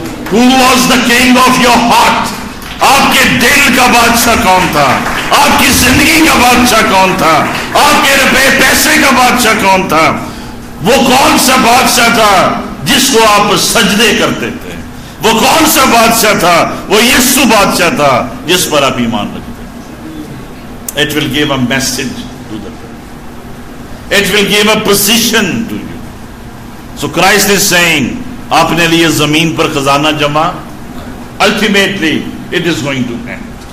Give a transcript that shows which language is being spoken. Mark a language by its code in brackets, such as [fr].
[en] Who was the king of your heart? [ur] آپ کے دل کا بادشاہ کون تھا, آپ کی زندگی کا بادشاہ کون تھا, آپ کے روپے پیسے کا بادشاہ کون تھا, وہ کون سا بادشاہ تھا جس کو آپ سجدے کرتے تھے, وہ کون سا بادشاہ تھا, وہ یسوع بادشاہ تھا جس پر آپ ایمان رکھتے. [en] It will give a message to the people. It will give a position to you. So Christ is saying, [ur] aapne liye zameen par khazana jama, [en] ultimately it is going to end.